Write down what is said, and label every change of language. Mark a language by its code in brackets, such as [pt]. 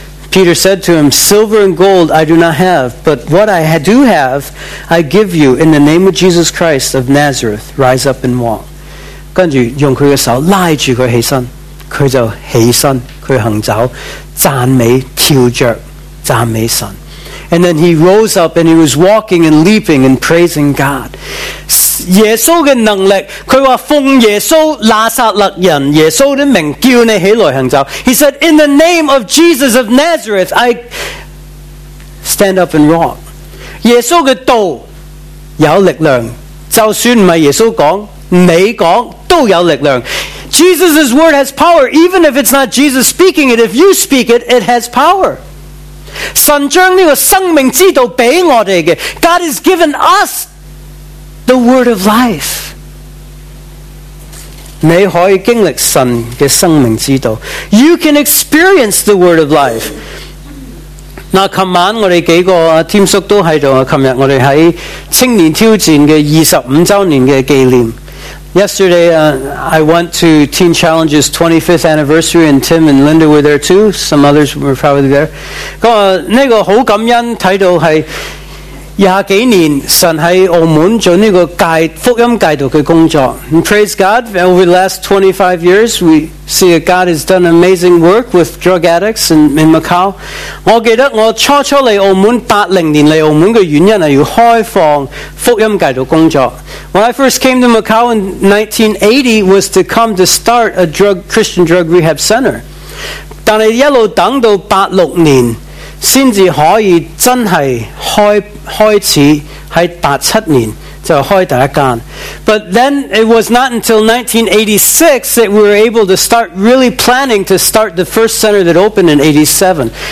[en] Peter said to him, Silver and gold I do not have, but what I do have, I give you in the name of Jesus Christ of Nazareth. Rise up and walk. [zh] 跟着用他的手拉住他起身，他就起身，他行走，赞美跳着赞美神。 [en] And then he rose up and he was walking and leaping and praising God. [zh] 耶稣的能力，他说奉耶稣拉撒勒人耶稣的名叫你起来行走。 [en] He said, in the name of Jesus of Nazareth, I stand up and walk. [zh] 耶稣的道有力量，就算不是耶稣讲，你讲都有力量。 [en] Jesus' word has power, even if it's not Jesus speaking it, if you speak it, it has power. [zh] 神将这个生命之道给我们的 [en] God has given us the word of life [zh] 你可以经历神的生命之道 [en] You can experience the word of life [zh] 那昨晚我们几个 Team 叔都在这里昨天我们在青年挑战的25周年的纪念 [en] Yesterday I went to Teen Challenge's 25th anniversary and Tim and Linda were there too. Some others were probably there. [zh] 那个好感恩睇到是 20年, 神在澳門做這個福音戒毒的工作。 [en] Praise God, over the last 25 years, we see that God has done amazing work with drug addicts in Macau. [zh] 我記得我初初來澳門80年來澳門的原因是要開放福音戒毒工作。 [en] When I first came to Macau in 1980, was to come to start a Christian drug rehab center. [zh] 但是一直等到86年, 才可以真的開始在87年就開第一間。 [en] But then it was not until 1986 that we were able to start really planning to start the first center that opened in 87.